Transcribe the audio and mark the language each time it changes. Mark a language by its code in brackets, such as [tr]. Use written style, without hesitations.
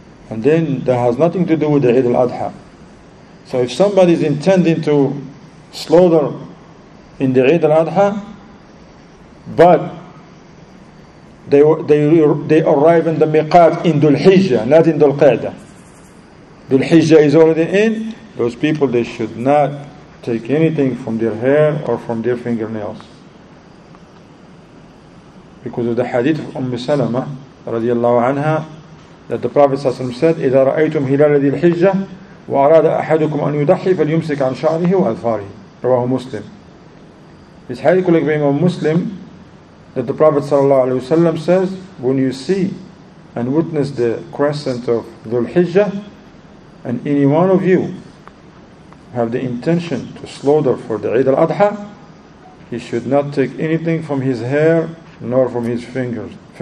[en] And then that has nothing to do with the Eid al-Adha. So if somebody is intending to slaughter in the Eid al-Adha, but They arrive in the Miqat in Dhul Hijjah, not in Dhul Qa'dah. Dhul Hijjah is already in. Those people, they should not take anything from their hair or from their fingernails. Because of the hadith of Umm Salama, radiallahu anha, that the Prophet said, [ar] إِذَا رَأَيْتُمْ هِلَالَ ذِي الْحِجَّةِ وَأَرَادَ أَحَدُكُمْ أَنْ يُضَحِّي فَلْيُمْسِكْ عَنْ شَعْرِهِ وَأَذْفَارِهِ رواه مسلم. [en] This hadith collected by Imam Muslim, that the Prophet says, when you see and witness the crescent of Dhul Hijjah, and any one of you have the intention to slaughter for the Eid al-Adha, he should not take anything from his hair nor from his fingernails.